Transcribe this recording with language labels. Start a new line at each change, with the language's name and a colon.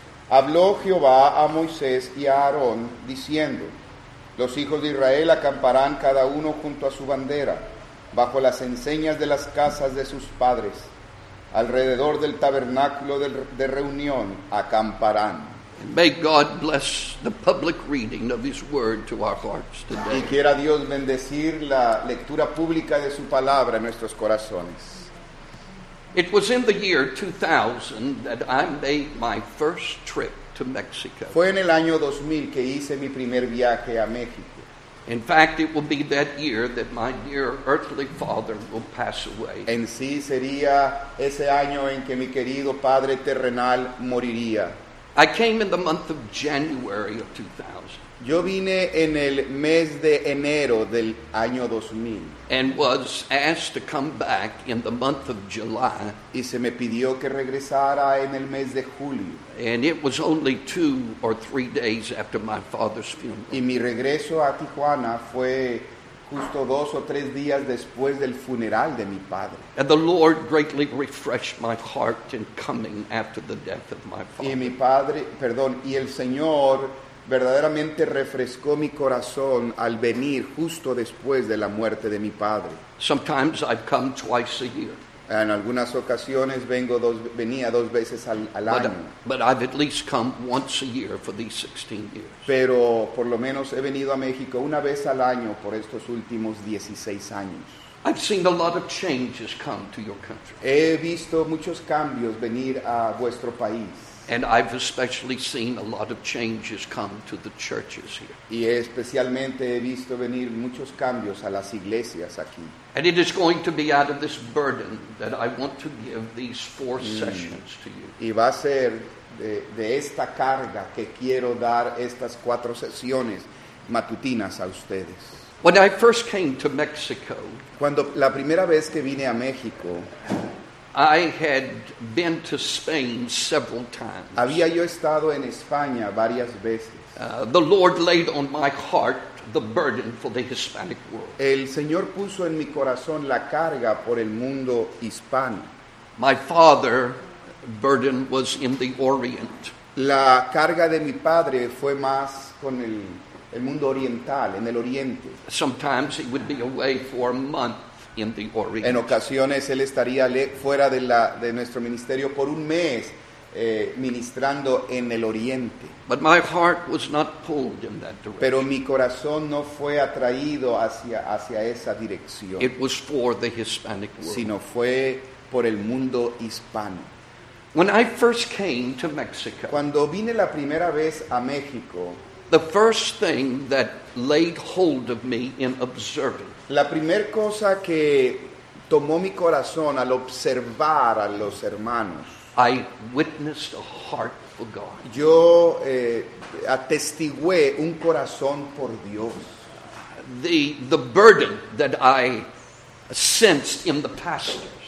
Spanish: Habló Jehová a Moisés y a Aarón diciendo: Los hijos de Israel acamparán cada uno junto a su bandera, bajo las enseñas de las casas de sus padres, alrededor del tabernáculo de reunión acamparán.
English: May God bless the public reading of His Word to our hearts today.
Spanish: Y quiera Dios bendecir la lectura pública de su palabra en nuestros corazones.
English: It was in the year 2000 that I made my first trip to Mexico.
Spanish: Fue en el año 2000 que hice mi primer viaje a México.
English: In fact, it will be that year that my dear earthly father will pass away.
Spanish: En sí sería ese año en que mi querido padre terrenal moriría.
English: I came in the month of January of 2000.
Spanish: Yo vine en el mes de enero del año 2000.
English: And was asked to come back in the month of July.
Spanish: Y se me pidió que regresara en el mes de julio.
English: And it was only 2 or 3 days after my father's funeral.
Spanish: Y mi regreso a Tijuana fue justo 2 o 3 días después del funeral de mi padre.
English: And the Lord greatly refreshed my heart in coming after the death of my father.
Spanish: Y el Señor verdaderamente refrescó mi corazón al venir justo después de la muerte de mi padre.
English: Sometimes I've come twice a year.
Spanish: En algunas ocasiones venía 2 veces al año.
English: But I've at least come once a year for these 16 years.
Spanish: Pero por lo menos he venido a México una vez al año por estos últimos 16 años.
English: I've seen a lot of changes come to your country.
Spanish: He visto muchos cambios venir a vuestro país.
English: And I've especially seen a lot of changes come to the churches here.
Spanish: Y especialmente he visto venir muchos cambios a las iglesias aquí.
English: And it is going to be out of this burden that I want to give these four sessions to you.
Spanish: Y va a ser de esta carga que quiero dar estas cuatro sesiones matutinas a ustedes.
English: When I first came to Mexico,
Spanish: cuando la primera vez que vine a México,
English: I had been to Spain several times.
Spanish: Había yo estado en España varias veces.
English: The Lord laid on my heart the burden for the Hispanic world.
Spanish: El Señor puso en mi corazón la carga por el mundo hispano.
English: My father's burden was in the Orient.
Spanish: La carga de mi padre fue más con el mundo oriental, en el oriente.
English: Sometimes he would be away for a month. In the Orient.
Spanish: En ocasiones él estaría fuera de nuestro ministerio por un mes ministrando en el oriente.
English: But my heart was not pulled in that direction.
Spanish: Pero mi corazón no fue atraído hacia esa dirección.
English: It was for the Hispanic world.
Spanish: Sino fue por el mundo hispano.
English: When I first came to Mexico,
Spanish: cuando vine la primera vez a México,
English: the first thing that laid hold of me in observing,
Spanish: la primer cosa que tomó mi corazón al observar a los hermanos,
English: I witnessed a heart for God.
Spanish: Yo atestigué un corazón por Dios.
English: The burden that I sensed in the pastors.